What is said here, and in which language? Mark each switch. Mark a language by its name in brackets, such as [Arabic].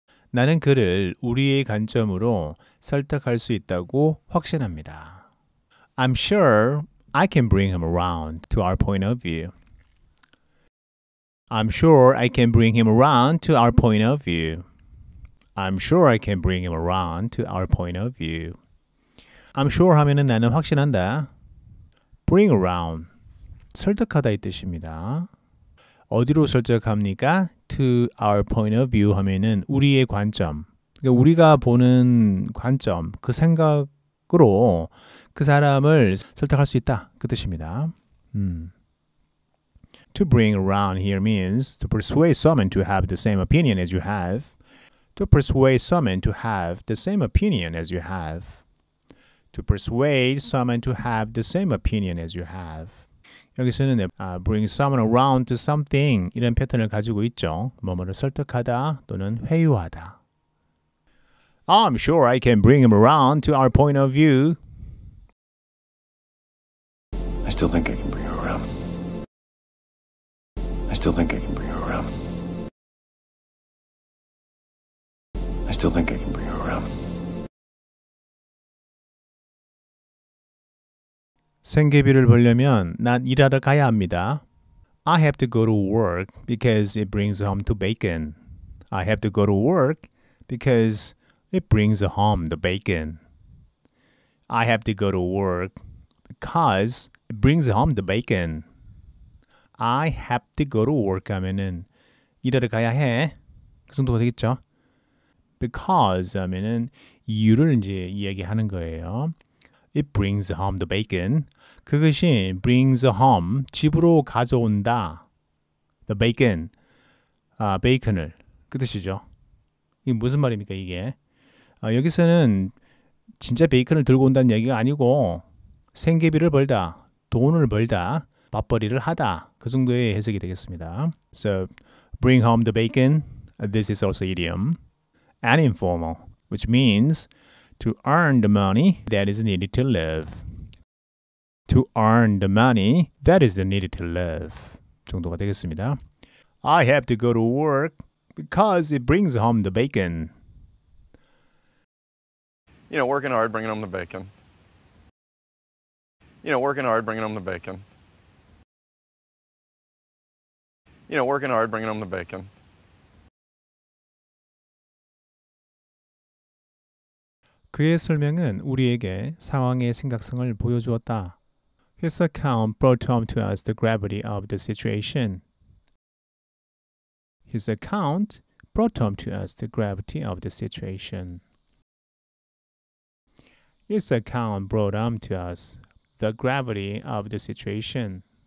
[Korean] 나는 그를 우리의 관점으로 설득할 수 있다고 확신합니다. [English] I'm sure I can bring him around to our point of view. I'm sure I can bring him around to our point of view. I'm sure I can bring him around to our point of view. I'm sure [Korean] 하면은 나는 확신한다. [English] Bring around. [Korean] 설득하다 이 뜻입니다. 어디로 설득합니까? [English] To our point of view [Korean] 하면은 우리의 관점. 그러니까 우리가 보는 관점, 그 생각으로 그 사람을 설득할 수 있다. 그 뜻입니다. [English] To bring around here means to persuade someone to have the same opinion as you have. To persuade someone to have the same opinion as you have. To persuade someone to have the same opinion as you have. [Korean] 여기서는 [English] bring someone around to something [Korean] 이런 패턴을 가지고 있죠. 뭐뭐를 설득하다 또는 회유하다. [English] I'm sure I can bring him around to our point of view. I still think I can bring him around. I still think I can bring him around. I still think I can bring him around. [Korean] 생계비를 벌려면 난 일하러 가야 합니다. [English] I have to go to work because it brings home the bacon. I have to go to work because it brings home the bacon. I have to go to work because it brings home the bacon. I have to go to work [Korean] 하면은 일하러 가야 해. 그 정도가 되겠죠? Because 하면은 이유를 이제 이야기하는 거예요. [English] It brings home the bacon. [Korean] 그것이 [English] brings home, [Korean] 집으로 가져온다. [English] The bacon, [Korean] 베이컨을, 그 뜻이죠. 이게 무슨 말입니까, 이게? 여기서는 진짜 베이컨을 들고 온다는 얘기가 아니고 생계비를 벌다, 돈을 벌다, 밥벌이를 하다, 그 정도의 해석이 되겠습니다. [English] So, bring home the bacon, this is also idiom. An informal, which means to earn the money that is needed to live. To earn the money that is needed to live. [Korean] 정도가 되겠습니다. [English] I have to go to work because it brings home the bacon. You know, working hard, bringing home the bacon. You know, working hard, bringing home the bacon. You know, working hard, bringing home the bacon. [Korean] 그의 설명은 우리에게 상황의 심각성을 보여주었다. [English] His account brought home to us the gravity of the situation. His account brought home to us the gravity of the situation. His account brought home to us the gravity of the situation.